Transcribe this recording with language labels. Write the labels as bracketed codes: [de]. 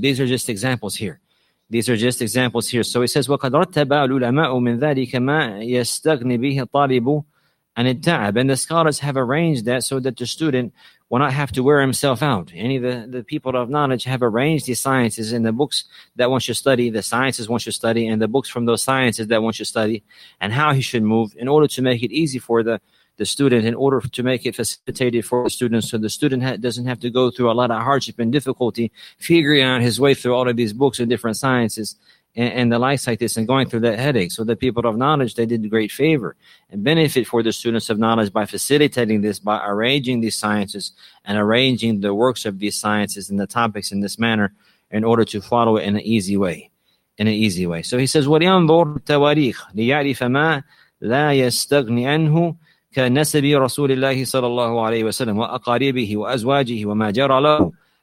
[en] So these are just examples here. These are just examples here. So he says, [ar] وَقَدْ رَتَّبَا الْعُلَمَاءُ مِنْ ذَلِكَ مَا يَسْتَغْنِ بِهِ الطَّالِبُ عَنِ التَّعَبِ. [en] And the scholars have arranged that so that the student will not have to wear himself out. Any of the people of knowledge have arranged the sciences and the books that one should study, the sciences one should study, and the books from those sciences that one should study, and how he should move in order to make it easy for the student, in order to make it facilitated for the student, so the student doesn't have to go through a lot of hardship and difficulty figuring out his way through all of these books and different sciences and the likes like this, and going through that headache. So the people of knowledge, they did great favor and benefit for the students of knowledge by facilitating this, by arranging these sciences and arranging the works of these sciences and the topics in this manner in order to follow it in an easy way. In an easy way. So he says, [ar] وَلِيَنْظُرْ تَوَارِيخْ لِيَعْرِفَ مَا لَا يَسْتَغْنِ عَنْهُ كَنَسَبِي رَسُولِ اللَّهِ صَلَى اللَّهُ عَلَيْهِ وَسَلَمْ وَأَقَارِبِهِ وَأَزْوَاجِهِ وَمَا جَرَى لَهُ